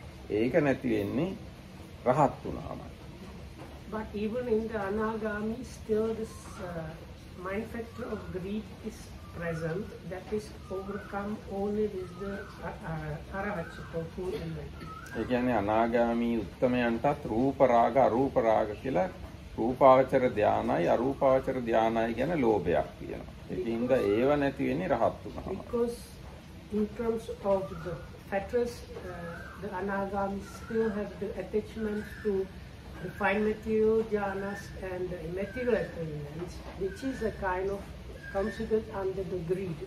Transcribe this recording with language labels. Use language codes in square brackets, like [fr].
[si] ඒක නැති වෙන්නේ රහත් වුණාමයි. [en] But even in the anagami still this mind factor of greed is present, that is overcome only with the arahatsutta enlightenment. [si] ඒ කියන්නේ අනාගාමී උත්තමයන්ටත් රූප රාග අරූප රාග කියලා රූපාවචර ධානයයි අරූපාවචර ධානයයි කියන ලෝභයක් තියෙනවා. ඒකින් ද ඒව නැති වෙන්නේ රහත් වුණාම. [en] Because in terms of the fetters, the anagami still have the attachment to the fine material jhanas and the immaterial attainments, which is a kind of considered under the greed.